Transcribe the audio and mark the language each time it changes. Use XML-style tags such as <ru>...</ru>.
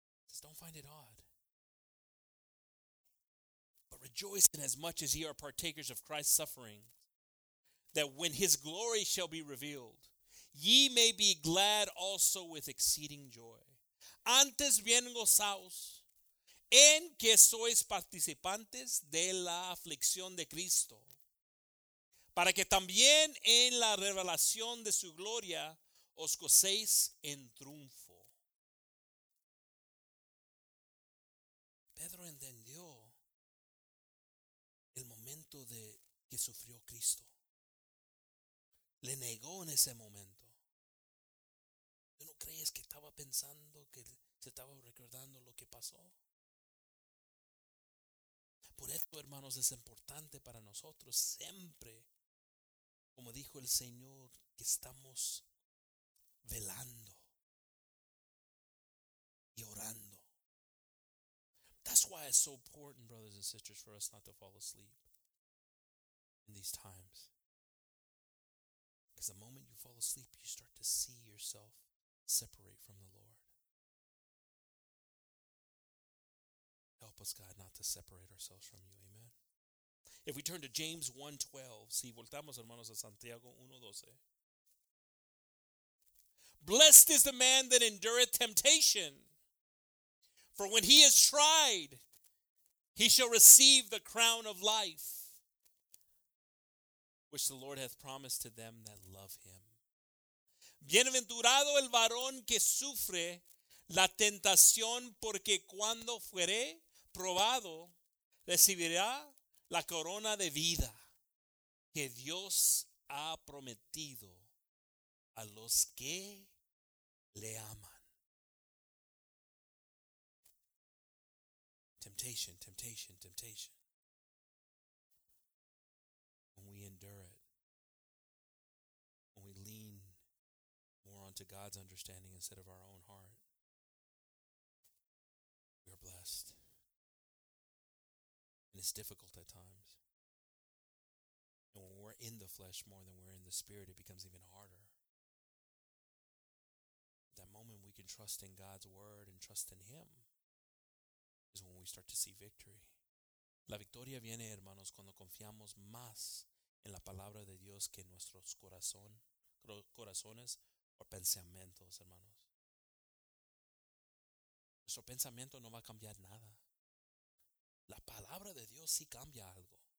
<en>Just don't find it odd. But rejoice in as much as ye are partakers of Christ's suffering, that when his glory shall be revealed, ye may be glad also with exceeding joy.</en> <es>Antes bien gozaos, en que sois participantes de la aflicción de Cristo, para que también en la revelación de su gloria os gocéis en triunfo. Pedro entendió el momento de que sufrió Cristo. Le negó en ese momento. ¿Tú no crees que estaba pensando, que se estaba recordando lo que pasó? Por esto, hermanos, es importante para nosotros siempre, como dijo el Señor, que estamos velando y orando.</es> <en>That's why it's so important, brothers and sisters, for us not to fall asleep in these times. Because the moment you fall asleep, you start to see yourself separate from the Lord. Help us, God, not to separate ourselves from you. Amen. If we turn to James 1:12,</en> <es>si voltamos, hermanos, a Santiago 1:12.</es> <en>Blessed is the man that endureth temptation, for when he is tried, he shall receive the crown of life, which the Lord hath promised to them that love him. Bienaventurado el varón que sufre la tentación, porque cuando fuere probado, recibirá la corona de vida que Dios ha prometido a los que le aman. Temptation, temptation, temptation. When we endure it, when we lean more onto God's understanding instead of our own heart, we are blessed. And it's difficult at times. And when we're in the flesh more than we're in the spirit, it becomes even harder. That moment we can trust in God's word and trust in Him is when we start to see victory.</en> <es>La victoria viene, hermanos, cuando confiamos más en la palabra de Dios que en nuestros corazones o pensamientos, hermanos. Nuestro pensamiento no va a cambiar nada. La palabra de Dios sí cambia algo.</es>